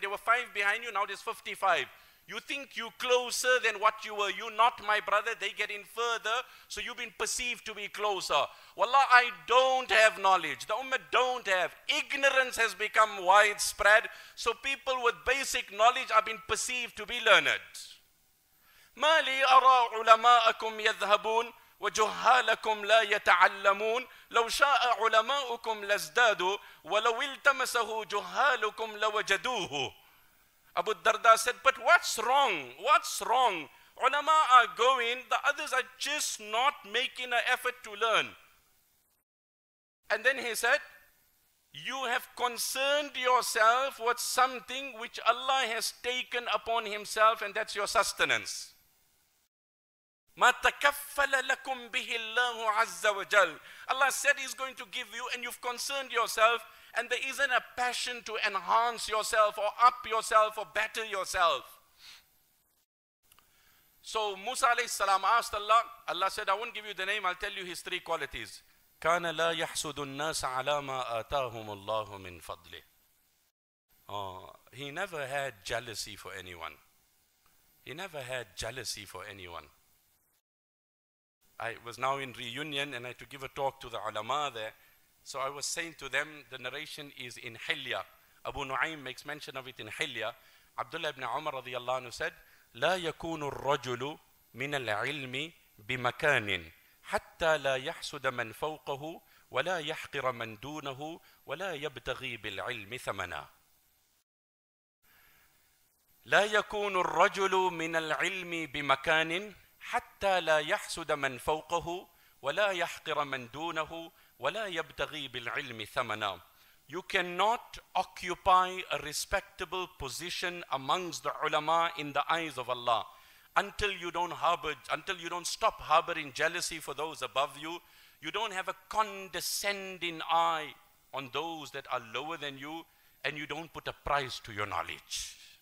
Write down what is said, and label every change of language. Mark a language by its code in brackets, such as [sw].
[en] There were five behind you. Now there's 55. You think you're closer than what you were. You're not, my brother. They're getting further. So you've been perceived to be closer. Wallah, I don't have knowledge. The ummah don't have. Ignorance has become widespread. So people with basic knowledge are being perceived to be learned. [ar] مَا لِي أَرَى عُلَمَاءَكُمْ يَذْهَبُونَ وَجُهَّالَكُمْ لَا يَتَعَلَّمُونَ لَوْ شَاءَ عُلَمَاءُكُمْ لَزْدَادُوا وَلَوْ إِلْتَمَسَهُ جُهَّالُكُمْ لَوَجَدُوهُ [en] Abu Darda said, but what's wrong? What's wrong? Ulama are going, the others are just not making an effort to learn. And then he said, you have concerned yourself with something which Allah has taken upon himself and that's your sustenance. [ar] مَا تَكَفَّلَ لَكُمْ بِهِ اللَّهُ عَزَّ وَجَلْ [en] Allah said he's going to give you and you've concerned yourself and there isn't a passion to enhance yourself or up yourself or better yourself. So Musa alayhi salam asked Allah. Allah said, I won't give you the name. I'll tell you his three qualities. [ar] كَانَ لَا يَحْسُدُ النَّاسَ عَلَى مَا آتَاهُمُ اللَّهُ مِنْ فَضْلِهِ [en] He never had jealousy for anyone. He never had jealousy for anyone. I was now in reunion and I had to give a talk to the ulama there. So I was saying to them, the narration is in Hilya. Abu Nu'aym makes mention of it in Hilya. Abdullah ibn Umar radiallahu anhu said, [ar] لا يكون الرجل من العلم بمكان حتى لا يحسد من فوقه ولا يحقر من دونه ولا يبتغي بالعلم ثمنا. لا يكون الرجل من العلم بمكان حتى لا يحسد من فوقه ولا يحقر من دونه ولا يبتغي بالعلم ثمنا. [en] You cannot occupy a respectable position amongst the ulama in the eyes of Allah until you don't stop harboring jealousy for those above you. You don't have a condescending eye on those that are lower than you, and you don't put a price to your knowledge.